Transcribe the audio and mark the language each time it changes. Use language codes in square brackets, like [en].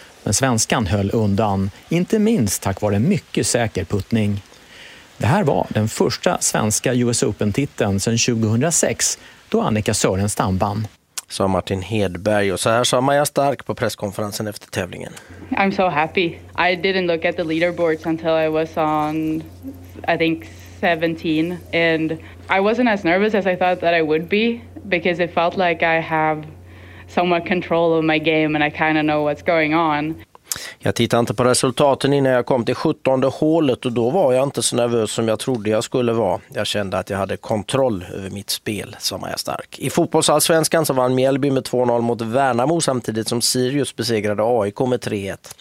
[sv] Men svenskan höll undan, inte minst tack vare mycket säker puttning. Det här var den första svenska US Open-titeln sedan 2006 då Annika Sörenstam vann. Sa Martin Hedberg, och så här sa Maja Stark på presskonferensen efter tävlingen. [en] I'm so happy. I didn't look at the leaderboards until I was on, I think, 17. And I wasn't as nervous as I thought that I would be, because it felt like I have somewhat control of my game and I kind of know what's going on. [sv] Jag tittade inte på resultaten innan jag kom till 17:e hålet och då var jag inte så nervös som jag trodde jag skulle vara. Jag kände att jag hade kontroll över mitt spel, sa Maja Stark. I fotbollsallsvenskan så vann Mjällby med 2-0 mot Värnamo samtidigt som Sirius besegrade AIK med 3-1.